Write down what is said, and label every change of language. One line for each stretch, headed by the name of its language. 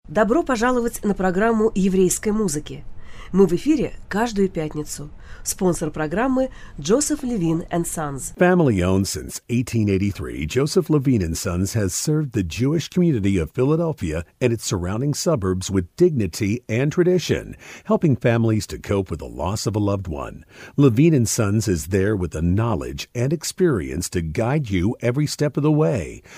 Russian: Добро пожаловать на программу «Еврейской музыки». Мы в эфире каждую пятницу. Спонсор программы Joseph Levine & Sons.
English: Family-owned since 1883, Joseph Levine & Sons has served the Jewish community of Philadelphia and its surrounding suburbs with dignity and tradition, helping families to cope with the loss of a loved one. Levine & Sons is there with the knowledge and experience to guide you every step of the way.